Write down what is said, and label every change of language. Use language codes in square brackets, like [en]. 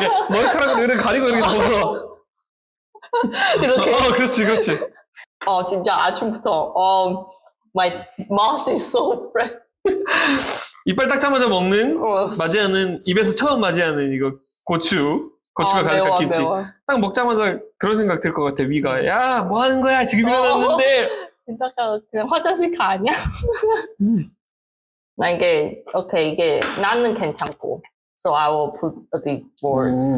[ko] 머리카락을 이렇게 가리고 이렇게 벗어. 이렇게. 어, 그렇지 그렇지. 어 진짜 아침부터 [en] my mouth is so fresh. [ko] 이빨 닦자마자 먹는 맞이하는 입에서 처음 맞이하는 이거 고추 고추가 아, 가득한 매워, 김치 매워. 딱 먹자마자 그런 생각 들 것 같아 위가 야 뭐 하는 거야 지금 일어났는데 이따가 그냥 화장실 가 아니야 나 이게 오케이 이게 나는 괜찮고 [en] so I will put a bit more